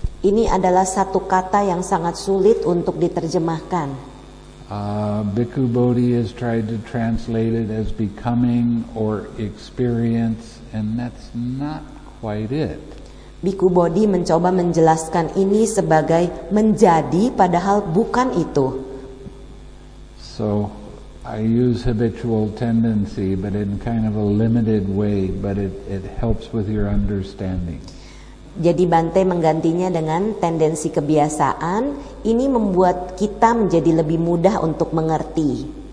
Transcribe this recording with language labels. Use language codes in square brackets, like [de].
[id] Ini adalah satu kata yang sangat sulit untuk diterjemahkan. [en] Bhikkhu Bodhi has tried to translate it as becoming or experience, and that's not quite it. [id] Bhikkhu Bodhi mencoba menjelaskan ini sebagai menjadi, padahal bukan itu. [en] So, I use habitual tendency, but in kind of a limited way, but it helps with your understanding. [id] Jadi Bante menggantinya dengan tendensi kebiasaan, ini membuat kita menjadi lebih mudah untuk mengerti.